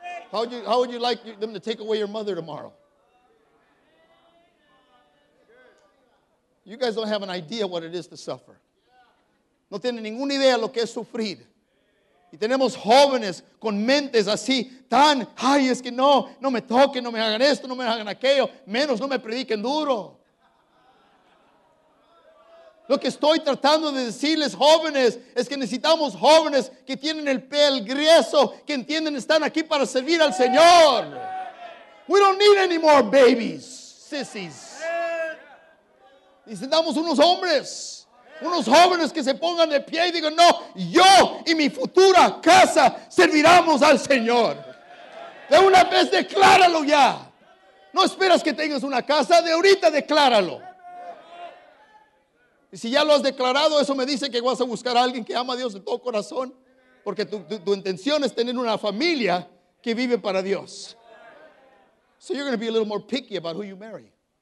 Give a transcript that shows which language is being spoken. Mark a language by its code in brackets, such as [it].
[en] How would you like them to take away your mother tomorrow? You guys don't have an idea what it is to suffer. [es] No tienen ninguna idea lo que es sufrir. Y tenemos jóvenes con mentes así, tan, ay, es que no me toquen, no me hagan esto, no me hagan aquello, menos no me prediquen duro. Lo que estoy tratando de decirles, jóvenes, es que necesitamos jóvenes que tienen el grueso, que entienden, están aquí para servir al Señor. [en] We don't need any more babies, sissies. [es] Necesitamos unos hombres, unos jóvenes que se pongan de pie y digan, no, yo y mi futura casa serviremos al Señor. De una vez decláralo ya. No esperas que tengas una casa, de ahorita decláralo. Y si ya lo has declarado, eso me dice que vas a buscar a alguien que ama a Dios de todo corazón. Porque tu intención es tener una familia que vive para Dios. [en] So you're going to be a little more picky about who you marry.